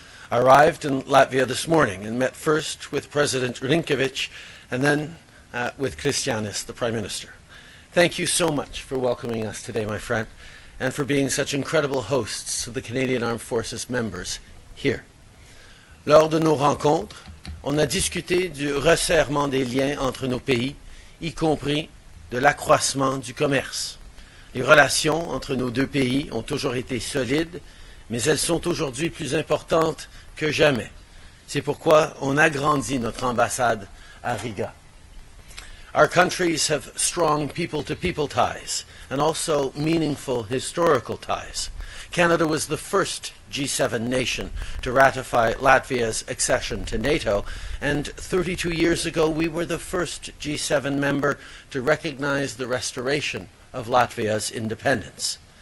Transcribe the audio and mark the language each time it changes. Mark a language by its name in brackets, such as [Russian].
[English] I arrived in Latvia this morning and met first with President Rinkēvičs and then with Krišjānis, the Prime Minister. Thank you so much for welcoming us today, my friend, and for being such incredible hosts of the Canadian Armed Forces members here. [French] Lors de nos rencontres, on a discuté du resserrement des liens entre nos pays, y compris de l'accroissement du commerce. Les relations entre nos deux pays ont toujours été solides, mais elles sont aujourd'hui plus importantes que jamais. C'est pourquoi on agrandit notre ambassade à Riga. [English] Our countries have strong people-to-people ties and also meaningful historical ties. Canada was the first G7 nation to ratify Latvia's accession to NATO, and 32 years ago we were the first G7 member to recognize the restoration of Latvia's independence.